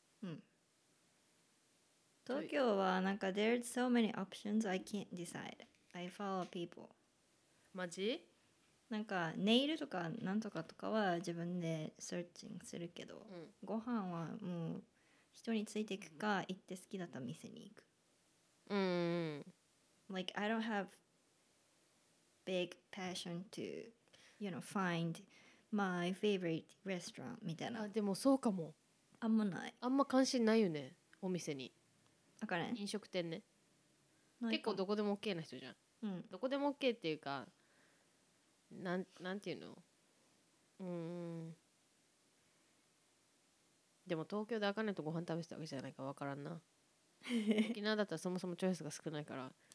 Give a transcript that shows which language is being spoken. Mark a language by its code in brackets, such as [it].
[ja] うん、東京はなんか [en] There's so many options I can't decide. I follow people. [ja] マジ？なんかネイルとかなんとかとかは自分で searching するけど、うん、ご飯はもう人についていくか、行って好きだった店に行く。うん。 [en] Like I don't have big passion to, you know, find my favorite restaurant [ja] みたいな。あ、でもそうかも。あんまない。あんま関心ないよね、お店に。分かる？飲食店ね。結構どこでも OK な人じゃん、うん、どこでも OK っていうか、なんていうの、うーん、でも東京であかねとご飯食べてたわけじゃないかわからんな。沖縄だったらそもそもチョイスが少ないから。